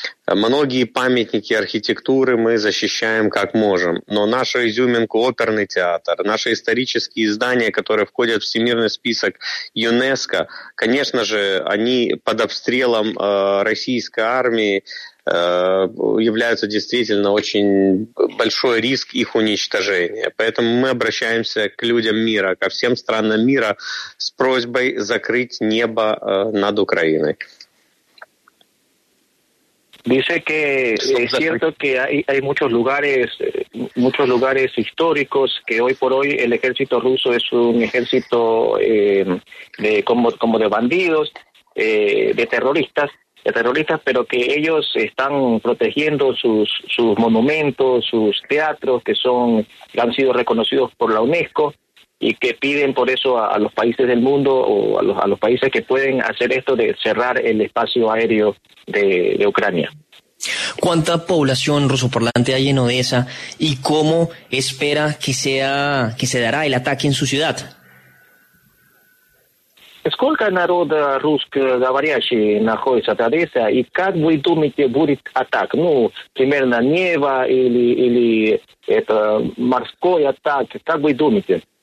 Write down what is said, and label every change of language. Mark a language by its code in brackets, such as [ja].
[ru] Многие памятники архитектуры мы защищаем как можем, но нашу изюминку оперный театр, наши исторические здания, которые входят в всемирный список ЮНЕСКО, конечно же, они под обстрелом российской армии являются действительно очень большой риск их уничтожения. Поэтому мы обращаемся к людям мира, ко всем странам мира с просьбой закрыть небо над Украиной. [es] Dice que es cierto que hay muchos lugares históricos que hoy por hoy el ejército ruso es un ejército de bandidos, de terroristas, pero que ellos están protegiendo sus monumentos, sus teatros que han sido reconocidos por la UNESCO y que piden por eso a los países del mundo o a los países que pueden hacer esto de cerrar el espacio aéreo de Ucrania. ¿Cuánta población rusoparlante hay en Odessa y cómo espera que se dará el ataque en su ciudad? [ru] сколько народа русскоговорящего находится в Одессе, и как вы думаете, будет атака? Ну, примерно небо или это морской атак? Как вы думаете?